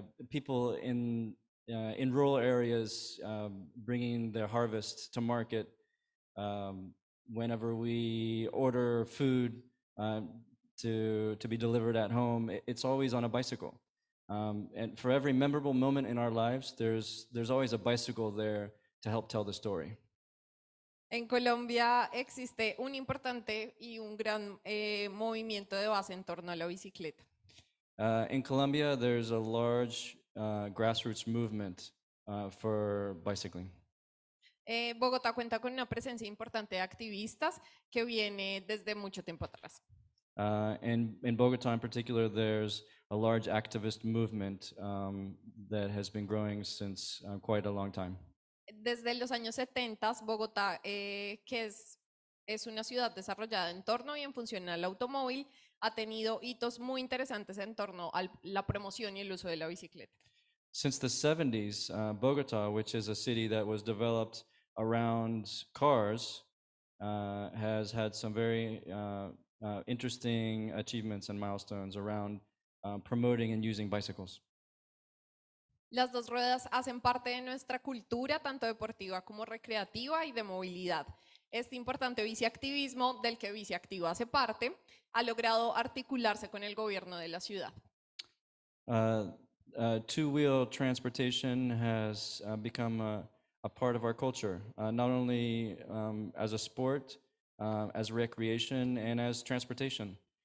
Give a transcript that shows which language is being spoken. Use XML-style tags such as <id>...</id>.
<en>People in rural areas bringing their harvest to market. Whenever we order food to be delivered at home, it's always on a bicycle. And for every memorable moment in our lives, there's always a bicycle there to help tell the story.</en> <es>En Colombia existe un importante y un gran movimiento de base en torno a la bicicleta.</es> <en>In Colombia, there's a large grassroots movement for bicycling.</en> <es>Bogotá cuenta con una presencia importante de activistas que viene desde mucho tiempo atrás.</es> <en>In Bogotá, in particular, there's a large activist movement that has been growing since quite a long time.</en> <es>Desde los años 70, Bogotá, que es una ciudad desarrollada en torno y en función al automóvil, ha tenido hitos muy interesantes en torno a la promoción y el uso de la bicicleta.</es> <en>Since the 70s, Bogotá, which is a city that was developed around cars, has had some very interesting achievements and milestones around promoting and using bicycles.</en> <es>Las dos ruedas hacen parte de nuestra cultura, tanto deportiva como recreativa y de movilidad. Este importante biciactivismo, del que Biciactivo hace parte, ha logrado articularse con el gobierno de la ciudad.</es> <en>Two-wheel transportation has become a part of our culture, not only as a sport, as recreation, and as transportation.</en>